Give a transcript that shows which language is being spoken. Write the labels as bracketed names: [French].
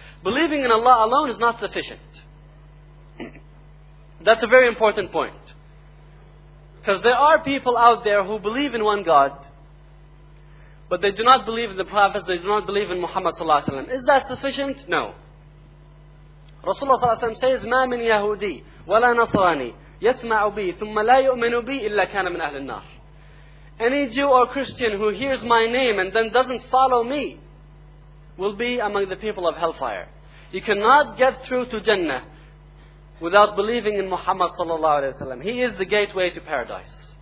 [English] Believing in Allah alone is not sufficient. That's a very important point. Because there are people out there who believe in one God, but they do not believe in the Prophet, they do not believe in Muhammad sallallahu alayhi wa sallam. Is that sufficient? No. Rasulullah sallallahu alayhi wa sallam says, [Arabic] مَا مِنْ يَهُودِي وَلَا نَصْرَانِي يَسْمَعُ بِي ثُمَّ لَا يُؤْمِنُ بِي إِلَّا كَانَ مِنْ أَهْلِ النَّارِ. [English] Any Jew or Christian who hears my name and then doesn't follow me will be among the people of hellfire. You cannot get through to Jannah without believing in Muhammad sallallahu alayhi wa sallam. He is the gateway to paradise.